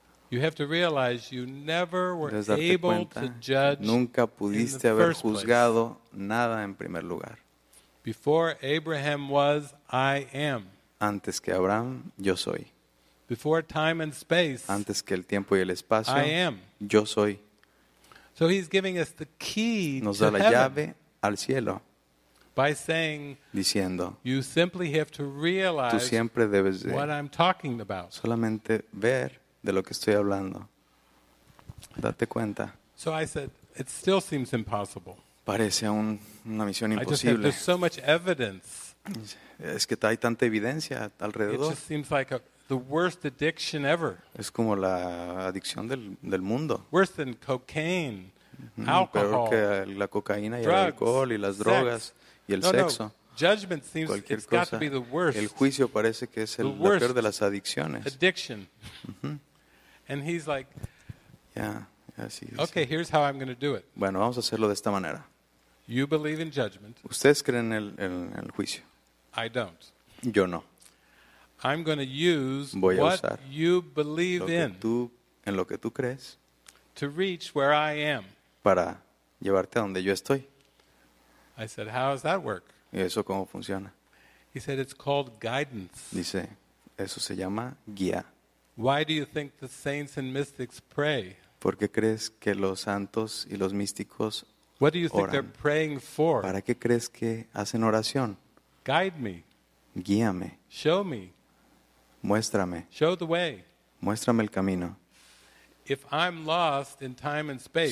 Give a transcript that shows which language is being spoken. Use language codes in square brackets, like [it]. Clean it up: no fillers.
[en] You have to realize you never were able to judge. [es] Nunca pudiste haber juzgado nada en primer lugar. [en] Before Abraham was, I am. [es] Antes que Abraham, yo soy. [en] Before time and space, [es] antes que el tiempo y el espacio, [en] I am. [es] Yo soy. [en] So he's giving us the key to heaven. [es] Nos da la llave al cielo. [en] By saying, [es] diciendo, [en] you simply have to realize [es] tú siempre debes de [en] what I'm talking about. [es] Solamente ver de lo que estoy hablando. Date cuenta. [en] So I said, it still seems impossible. [es] Parece una misión imposible. [en] There's so much evidence. [es] Es que hay tanta evidencia alrededor. [en] It just seems like the worst addiction ever. [es] Es como la adicción del mundo. [en] Worse than cocaine, alcohol, [es] peor que la cocaína y [en] drugs, [es] el alcohol y las drogas [en] sex. [es] Y el sexo. [en] Judgment seems [es] cualquier [en] it's [es] cosa, [en] got to be the worst. [es] El juicio parece que es la peor de las adicciones. [en] Addiction. And he's like, [es] yeah. Así es. [en] Okay, here's how I'm going to do it. [es] Bueno, vamos a hacerlo de esta manera. [en] You believe in judgment. [es] Ustedes creen en el juicio. [en] I don't. [es] Yo no. [en] I'm going to use [es] voy a [en] what [es] usar [en] you believe [es] lo que [en] in [es] tú, en lo que tú crees [en] to reach where I am. [es] Para llevarte a donde yo estoy. [en] I said, how does that work? [es] ¿Y eso cómo funciona? [en] He said, it's called guidance. [es] Dice, eso se llama guía. [en] Why do you think the saints and mystics pray? [es] ¿Por qué crees que los santos y los místicos [en] what do you think [es] oran? [en] They're praying for? [es] ¿Para qué crees que hacen oración? [en] Guide me. [es] Guíame. [en] Show me. [es] Muéstrame. [en] Show the way. [es] Muéstrame el camino. [en] If I'm lost in time and space,